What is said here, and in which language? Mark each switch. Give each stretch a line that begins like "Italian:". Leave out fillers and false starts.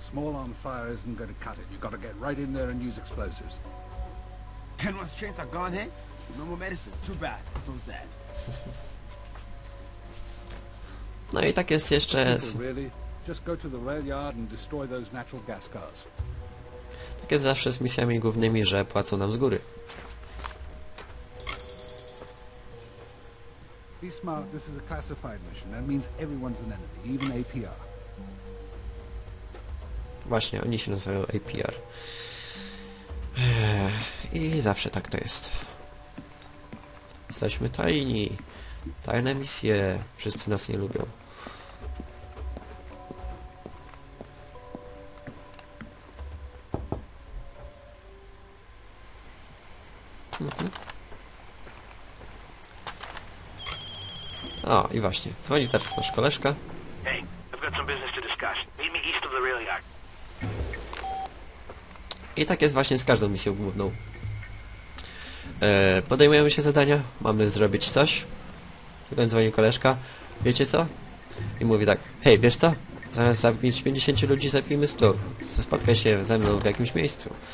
English: Small on fire isn't going to cut it. You've got to get right in there and use explosives. Kenwa's trains are gone, hey? No more medicine. Too bad. So sad.
Polish: No i tak jest jeszcze...
English: Really? Just go to the rail yard and destroy those natural gas cars.
Polish: Tak jest zawsze z misjami głównymi, że płacą nam z góry.
English: Be smart, this is a classified mission. That means everyone's an enemy, even APR.
Polish: Właśnie, oni się nazywają APR. I zawsze tak to jest. Jesteśmy tajni. Tajne misje. Wszyscy nas nie lubią. O, i właśnie. Dzwoni teraz nasz koleżka.
English: Hey, I've got some business to discuss. Meet me east of the rail yard.
Polish: I tak jest właśnie z każdą misją główną. Podejmujemy się zadania, mamy zrobić coś. Potem dzwoni koleżka. Wiecie co? I mówi tak. Hej, wiesz co? Zamiast zabić 50 ludzi, zabijmy 100. Spotkaj się ze mną w jakimś miejscu.